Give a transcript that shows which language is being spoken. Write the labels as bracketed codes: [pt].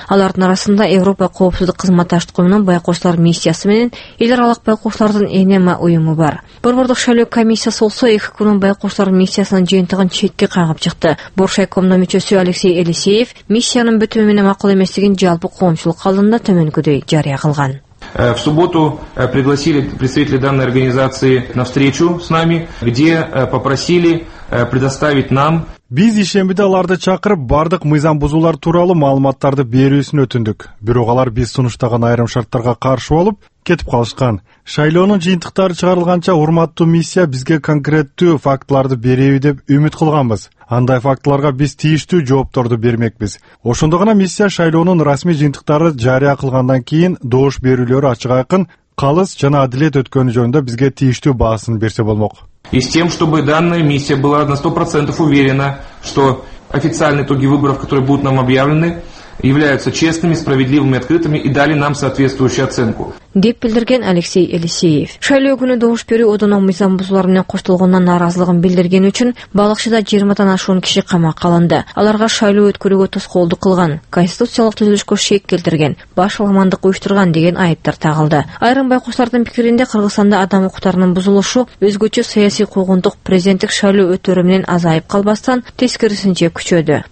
[ky] Алардын арасында Европа коопсуздук кызматташтыгынын байкоочулар миссиясы менен эл аралык байкоочулардын ЭНМА уюму бар. Борбордук шайлоо комиссиясы болсо эки күнүн байкоочулар миссиясынын жыйынтыгын четке кагып чыкты. Боршайкомдун мүчөсү Алексей Элисеев миссиянын бүтүмү менен макул эместигин жалпы коомчулук алдында төмөнкүдөй жария кылган. [ru] В субботу пригласили представители данной организации на встречу с нами, где попросили предоставить нам. [ky] Биз ишембиде аларды чакырып, бардык мыйзам бузуулар тууралуу маалыматтарды берүүсүн өтүндүк. Бирок алар биз сунуштаган айрым шарттарга каршы болуп кетип калышкан. Шайлоонун жыйынтыктары чыгарылганча урматтуу миссия бизге конкреттүү фактыларды береби деп үмүт кылганбыз. Андай фактыларга биз тийиштүү жоопторду бермекпиз. Ошондо гана миссия шайлоонун расмий жыйынтыктары жария кылгандан кийин добуш берүүлөрү ачык айкын, калыс жана адилет өткөнү жөнүндө бизге тийиштүү баасын берсе болмок. [ru] И с тем, чтобы данная миссия была на 100% уверена, что официальные итоги выборов, которые будут нам объявлены, являются честными, справедливыми, открытыми и дали нам соответствующую оценку. [ky] Деп билдирген Алексей Элисеев. Шайлоо күнү добуш берүү одонун мыйзам бузуулар менен коштолгонунан нааразылыгын билдирген үчүн Балыкчыда 20 ашуун киши камакка алынды. Аларга шайлоо өткөрүүгө тоскоолдук кылган, конституциялык түзүлүшкө шек келтирген, башаламандык уюштурган деген айыптар тагылды. Айрым байкоочулардын пикиринде Кыргызстанда адам укуктарынын бузулушу өзгөчө саясий куугунтук президенттик шайлоо өтөрү менен азайып калбастан, тескерисинче күчөдү.